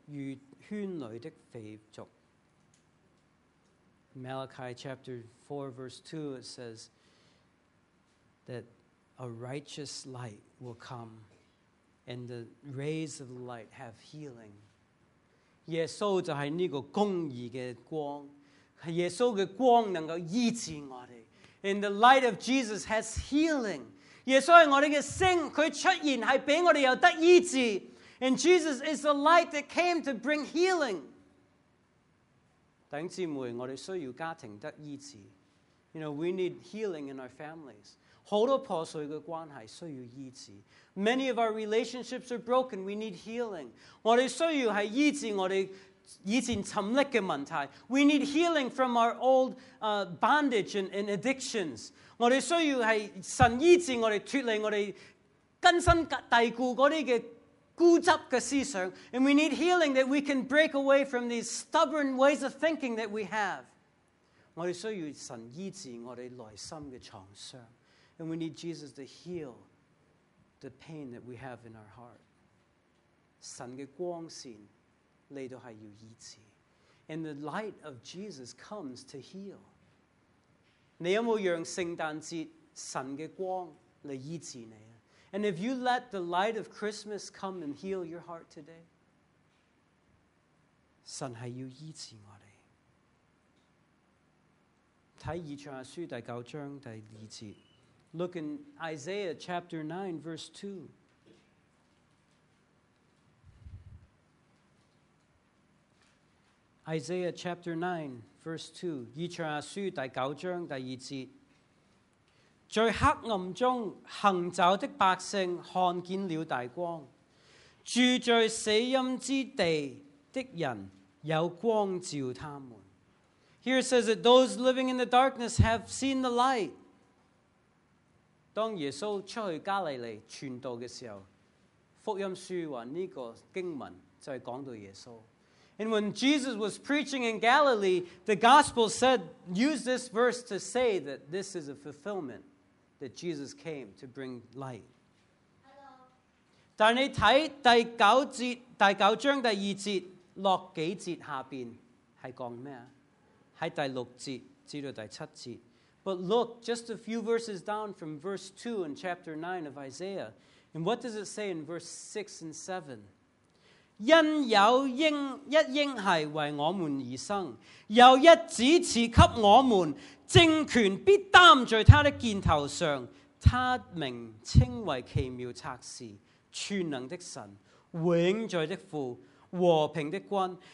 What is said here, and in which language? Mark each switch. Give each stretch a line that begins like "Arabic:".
Chinese: 但向你们敬畏我名的人，必有公义的日头出现，其光线有医治之能。你们必出来跳跃如圈里的肥族.
English: Malachi chapter 4 verse 2, it says that a righteous light will come, and the rays of the light have healing.
Chinese: 耶稣就是这个公义的光，耶稣的光能够医治我们.
English: And the light of Jesus has healing.
Chinese: 耶稣是我们的星，祂出现是让我们有得医治.
English: And Jesus is the light that came to bring healing.
Chinese: 弟兄姊妹，我们需要家庭得医治.
English: You know, we need healing in our families.
Chinese: 很多破碎的关系需要医治.
English: Many of our relationships are broken. We need healing.
Chinese: 我们需要是医治我们以前沉溺的問題。
English: We need healing from our old bondage and addictions.
Chinese: 我們需要是神醫治我們，脫離我們根深蒂固那些的固執的思想。
English: And we need healing that we can break away from these stubborn ways of thinking that we have.
Chinese: 我們需要神醫治我們內心的創傷。
English: And we need Jesus to heal the pain that we have in our heart.
Chinese: 神的光線来到是要医治。
English: And the light of Jesus comes to heal.
Chinese: 你有没有让圣诞节神的光来医治你？
English: And if you let the light of Christmas come and heal your heart today,
Chinese: 神是要医治我们。看以赛亚书第九章第二节。
English: Look in Isaiah chapter 9 verse 2. Isaiah chapter 9 verse 2.
Chinese: 以赛亚书第九章第二节。在黑暗中行走的百姓看见了大光，住在死荫之地的人有光照他们。
English: Here it says that those living in the darkness have seen the light.
Chinese: 当耶稣出去加利利传道的时候，福音书说这个经文就是讲到耶稣。
English: And when Jesus was preaching in Galilee, the gospel said, use this verse to say that this is a fulfillment, that Jesus came to bring light. Hello.
Chinese: 但你看第九章第二节落几节下面是讲什么？是第六节至到第七节。
English: But look, just a few verses down from verse 2 in chapter 9 of Isaiah. And what does it say in verse 6 and 7?
Chinese: 因有一婴孩为我们而生，有一子赐给我们，政权必担在他的肩头上，他名称为奇妙策士、全能的神、永在的父、和平的君。